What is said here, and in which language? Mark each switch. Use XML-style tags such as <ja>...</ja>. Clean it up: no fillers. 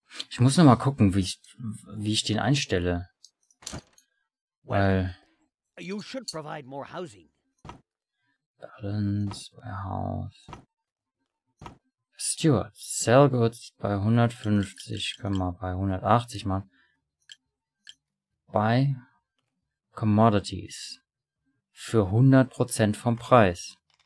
<de>Ich muss noch mal gucken, wie ich den einstelle. Weil...</de> <en>You should provide more housing. Balance, Warehouse.</en> <de>Stuart,</de> <en>sell goods</en> <de>bei 150, können wir bei 180 machen.</de> <en>Buy commodities</en> <de>für 100% vom Preis.</de>